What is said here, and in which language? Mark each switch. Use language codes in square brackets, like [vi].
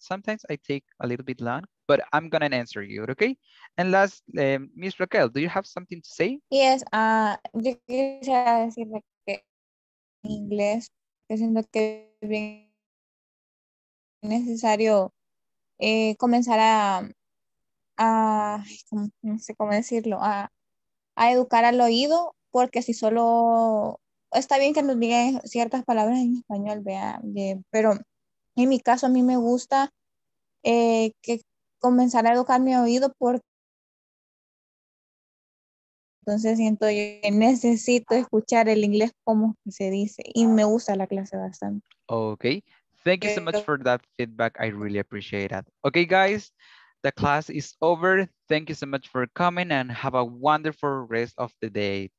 [en] Sometimes I take a little bit long, but I'm gonna answer you, okay? And last, Miss Raquel, do you have something to say? [es] Yes, yo quisiera decir que en inglés, que siento que es bien necesario comenzar a educar al oído, porque si solo está bien que nos digan ciertas palabras en español, pero en mi caso a mí me gusta que comenzar a educar mi oído, porque entonces siento yo que necesito escuchar el inglés como se dice y me gusta la clase bastante. [en] Okay, thank you so much for that feedback, I really appreciate that. Okay guys, the class is over. Thank you so much for coming and have a wonderful rest of the day.